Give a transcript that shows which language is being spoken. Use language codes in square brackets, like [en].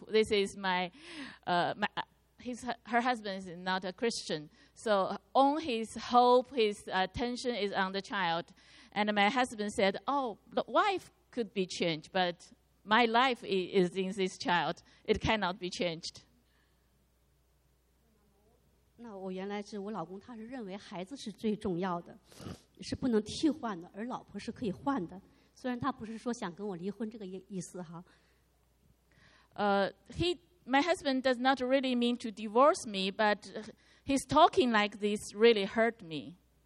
[en] This is my her husband is not a Christian." So on his hope, his attention is on the child. And my husband said, oh, the wife could be changed, but my life is in this child. It cannot be changed. [zh] 那我原来是我老公他是认为孩子是最重要的，是不能替换的，而老婆是可以换的。虽然他不是说想跟我离婚这个意思哈。 [en] My husband does not really mean to divorce me, but his talking like this really hurt me.